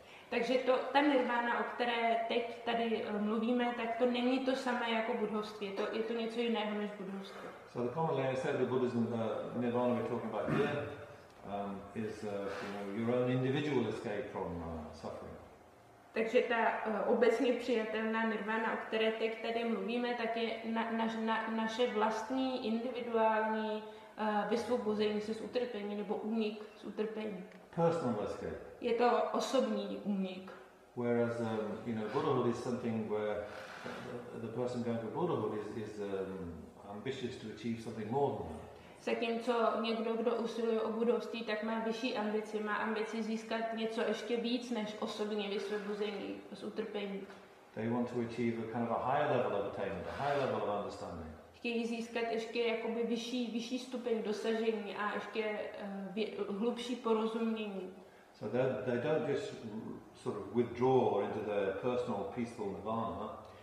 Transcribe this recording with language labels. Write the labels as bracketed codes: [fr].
[cs] Takže to ta nirvana, o které teď tady mluvíme, tak to není to samé jako buddhovství. Je to něco jiného než buddhovství. [en] So the commonly accepted Buddhism nirvana we're talking about here is you know, your own individual escape from suffering. [cs] Takže ta obecně přijatelná nirvana, o které teď tady mluvíme, tak je naše vlastní individuální vysvobození se z utrpení nebo únik z utrpení. [en] Personal escape. [cs] Je to osobní únik. [en] Whereas you know, Buddhahood is something where the person going to Buddhahood is ambitious to achieve something more than that. [cs] Zatímco někdo, kdo usiluje o budoucnosti, tak má vyšší ambici, má ambici získat něco ještě víc než osobní vysvobození z utrpení. [en] They want to achieve a kind of a higher level of attainment, a higher level of understanding. [cs] Chtějí získat ještě jakoby vyšší stupeň dosažení a ještě hlubší porozumění. [en] So they don't just sort of withdraw into their personal peaceful nirvana.